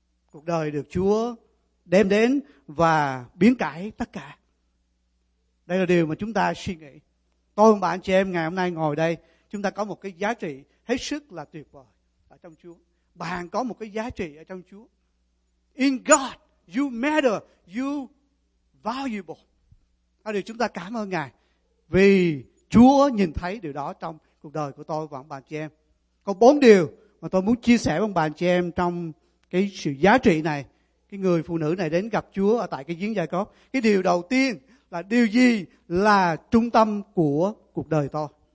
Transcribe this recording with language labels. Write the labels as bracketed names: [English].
[Vietnamese] Cuộc đời được Chúa đem đến và biến cải tất cả. Đây là điều mà chúng ta suy nghĩ. Tôi và bạn chị em ngày hôm nay ngồi đây, chúng ta có một cái giá trị hết sức là tuyệt vời ở trong Chúa. Bạn có một cái giá trị ở trong Chúa. [English] In God, you matter, you valuable. [Vietnamese] Đó là điều chúng ta cảm ơn Ngài. Vì Chúa nhìn thấy điều đó trong cuộc đời của tôi và bạn chị em. Có bốn điều mà tôi muốn chia sẻ với bạn chị em trong cái sự giá trị này. Cái người phụ nữ này đến gặp Chúa ở tại cái giếng Gia-cốp. Cái điều đầu tiên là điều gì là trung tâm của cuộc đời tôi?